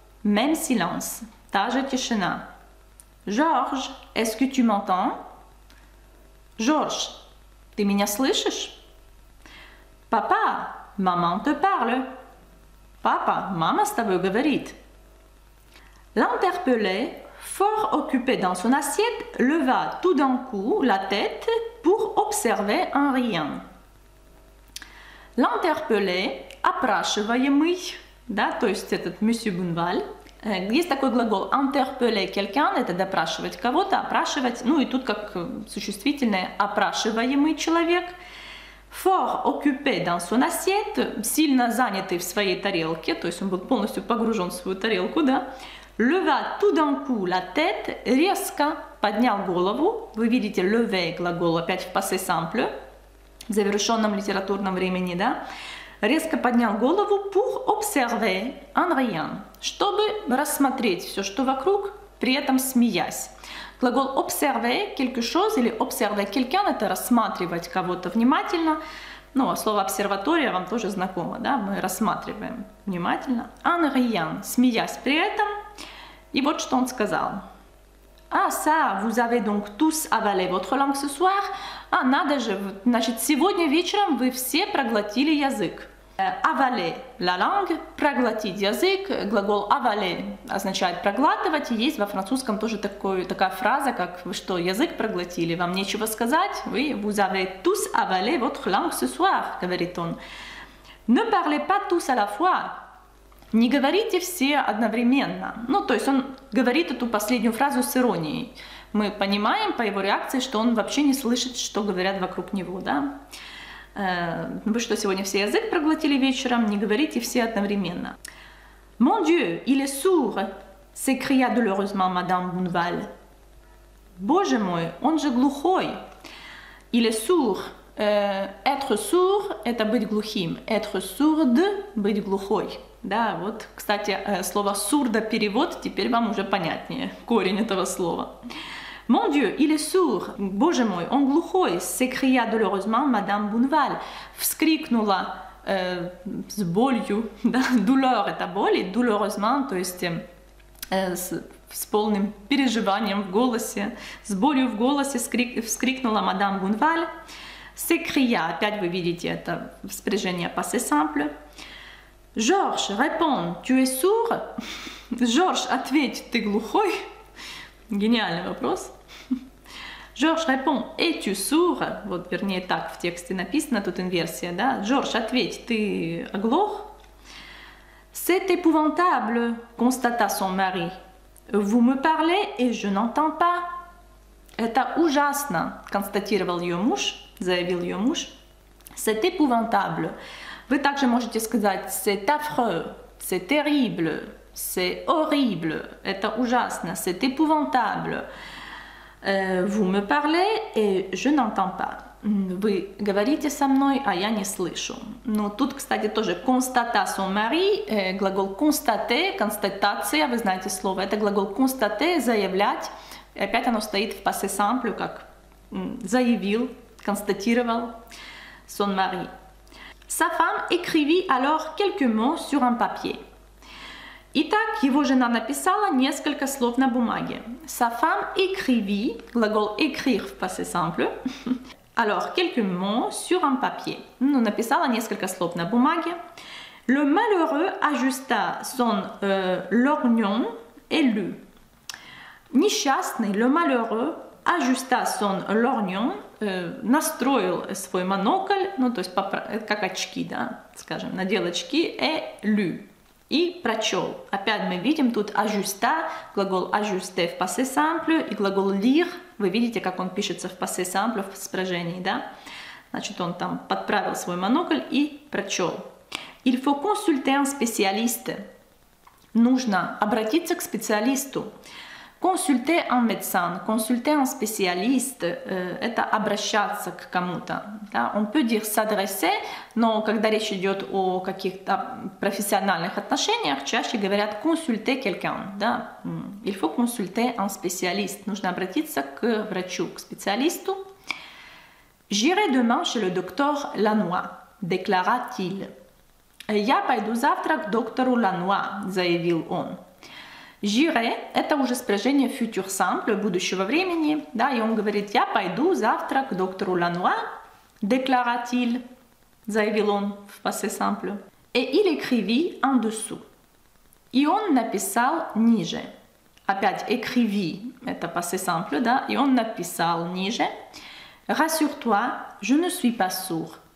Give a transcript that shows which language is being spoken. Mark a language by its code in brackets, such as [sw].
[fr] Même silence. [ru] Та же тишина. [fr] Georges, est-ce que tu m'entends? [ru] Georges, ты меня слышишь? [fr] Papa, maman te parle. [ru] Папа, мама с тобой говорит. [fr] L'interpellé, fort occupé dans son assiette, leva tout d'un coup la tête pour observer un rien. L'interpellé, [ru] опрашиваемый, да, то есть этот monsieur Bonneval, есть такой глагол [fr] interpeller quelqu'un, [ru] это допрашивать кого-то, опрашивать, ну и тут как существительное опрашиваемый человек. [fr] Fort occupé dans son assiette, [ru] сильно занятый в своей тарелке, то есть он был полностью погружен в свою тарелку, да, [fr] leva tout d'un coup la tête, [ru] резко поднял голову. Вы видите lever глагол опять в passé simple, в завершенном литературном времени, да? Резко поднял голову [fr] pour observer un rien, [ru] чтобы рассмотреть все, что вокруг, при этом смеясь. Глагол observer quelque chose или observer quelqu'un – это рассматривать кого-то внимательно. Ну, слово обсерватория вам тоже знакомо, да? Мы рассматриваем внимательно. [fr] Un rien, [ru] смеясь при этом. И вот что он сказал. [fr] Ah, ça, vous avez donc tous avalé votre langue ce soir? [ru] А, надо же, значит, сегодня вечером вы все проглотили язык. [fr] Avaler la langue, [ru] проглотить язык. [fr] Глагол avaler означает проглатывать. И есть во французском тоже такая фраза, как вы что, язык проглотили, вам нечего сказать. Oui, vous avez tous avalé votre langue ce soir, [ru] говорит он. [fr] Ne parlez pas tous à la fois. [ru] Не говорите все одновременно. Ну, то есть он говорит эту последнюю фразу с иронией. Мы понимаем по его реакции, что он вообще не слышит, что говорят вокруг него, да? Вы что, сегодня все язык проглотили вечером? Не говорите все одновременно. [fr] Mon Dieu, il est sourd, s'écria douloureusement madame Bonneval. [ru] Боже мой, он же глухой. [fr] Il est sourd. Être sourd [ru] – это быть глухим. Être sourd – быть глухой. Да, вот, кстати, слово «сурдоперевод» теперь вам уже понятнее, корень этого слова. [fr] Mon Dieu, il est sourd. [ru] Боже мой, он глухой. [fr] S'écria douloureusement madame Bonneval. [ru] Вскрикнула с болью. Да? Douleur – это боль. Douloureusement, то есть с полным переживанием в голосе. С болью в голосе вскрикнула мадам Бонваль. [fr] S'écria. [ru] Опять вы видите это спряжение passé simple. [fr] Georges, réponds, tu es sourd? [ru] Georges, ответь, ты глухой? Гениальный вопрос. [fr] Georges, réponds, es-tu sourd? [ru] Вот, вернее, так в тексте написано, тут инверсия, да? [fr] Georges, ответь, ты оглох? C'est épouvantable, constata son mari. Vous me parlez et je n'entends pas. [ru] Это ужасно, констатировал ее муж, заявил ее муж. [fr] C'est épouvantable. [ru] Вы также можете сказать [fr] «c'est affreux», «c'est terrible», «c'est horrible», [ru] «это ужасно», [fr] «c'est épouvantable». Vous me parlez et je n'entends pas. [ru] Вы говорите со мной, а я не слышу. Ну, тут, кстати, тоже [fr] constater son mari, [ru] глагол constater, констатация, вы знаете слово, это глагол constater, заявлять. И опять оно стоит в passé simple, как заявил, констатировал son mari. [fr] Sa femme écrivit alors quelques mots sur un papier. [ru] Итак, его жена написала несколько слов на бумаге. [fr] Sa femme écrivit, глагол écrire в passé simple. Alors, quelques mots sur un papier. [ru] Ну, написала несколько слов на бумаге. [fr] Le malheureux ajusta son lorgnon et lut. [ru] Несчастный, [fr] le malheureux ajusta son lorgnon, [ru] настроил свой монокль, ну, то есть, как очки, да, скажем, надел очки, [fr] et lut. [ru] И прочел. Опять мы видим тут ajusta, глагол ajuster в passé simple, и глагол lire. Вы видите, как он пишется в passé simple в спряжении, да? Значит, он там подправил свой монокль и прочел. [fr] Il faut consulter un spécialiste. [ru] Нужно обратиться к специалисту. [fr] Consulter un médecin. Consulter un spécialiste. [ru] Это обращаться к кому-то. Да? [fr] On peut dire s'adresser, [ru] но когда речь идет о каких-то профессиональных отношениях, чаще говорят [fr] consulter quelqu'un. [ru] Да? [fr] Il faut consulter un spécialiste. [ru] Нужно обратиться к врачу, к специалисту. [fr] J'irai demain chez le docteur Lanois, déclara-t-il. [ru] Я пойду завтра к доктору Lanois, заявил он. J'irai – это уже спряжение future simple, будущего времени. Да, и он говорит, я пойду завтра к доктору Lanois, [fr] déclara-t-il, [ru] заявил он в passé simple. [fr] Et il écrivit en dessous. [ru] И он написал ниже. Опять écrivit – это passé simple, да, и он написал ниже. [fr] Rassure-toi, je ne suis pas sourd.